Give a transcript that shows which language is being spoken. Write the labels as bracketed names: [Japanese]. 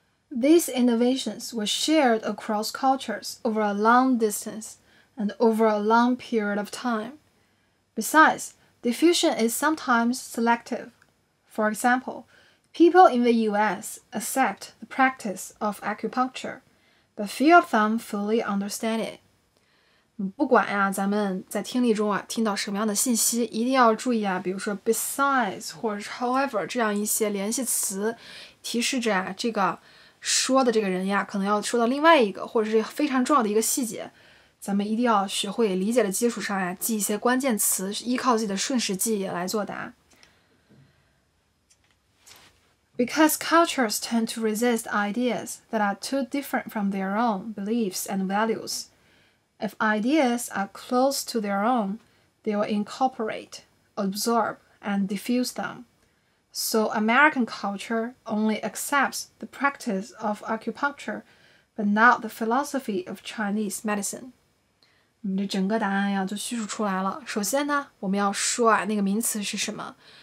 [English] These innovations were shared across cultures over a long distance and over a long period of time. Besides, diffusion is sometimes selective. For example, people in the U.S. accept the practice of acupuncture, but few of them fully understand it. [Chinese] 不管啊，咱们在听力中啊听到什么样的信息，一定要注意啊，比如说 besides 或者 however 这样一些联系词，提示着啊这个说的这个人呀，可能要说到另外一个或者是非常重要的一个细节，咱们一定要学会理解的基础上啊记一些关键词，依靠自己的瞬时记忆来作答。 [English] Because cultures tend to resist ideas that are too different from their own beliefs and values. If ideas are close to their own, they will incorporate, absorb, and diffuse them. So American culture only accepts the practice of acupuncture, but not the philosophy of Chinese medicine. [Chinese] 这整个答案呀就叙述出来了。首先呢，我们要说啊，那个名词是什么。